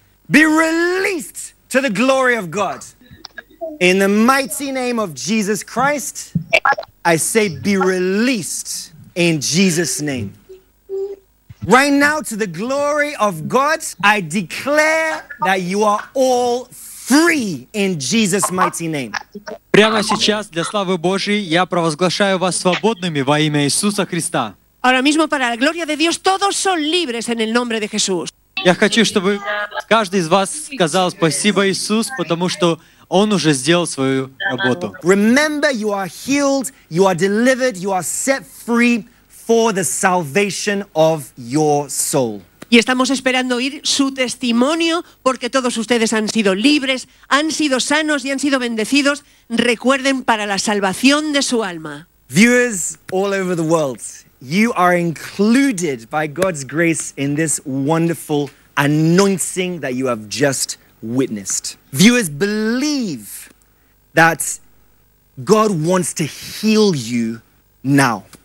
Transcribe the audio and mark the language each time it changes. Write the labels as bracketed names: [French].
[English] Be released to the glory of God. In the mighty name of Jesus Christ, I say be released in Jesus' name. Right now, to the glory of God, I declare that you are all free in Jesus' mighty name. [Russian] Прямо сейчас, для славы Божьей, я провозглашаю вас свободными во имя Иисуса Христа. [Spanish] Ahora mismo, para la gloria de Dios, todos son libres en el nombre de Jesús. [Russian] Я хочу, чтобы каждый из вас сказал спасибо Иисус, потому что Он уже сделал свою работу. [English] Remember, you are healed, you are delivered, you are set free for the salvation of your soul. [Spanish] Y estamos esperando oír su testimonio porque todos ustedes han sido libres, han sido sanos y han sido bendecidos. Recuerden, para la salvación de su alma. [English] Viewers all over the world, you are included by God's grace in this wonderful anointing that you have just witnessed. Viewers, believe that God wants to heal you now.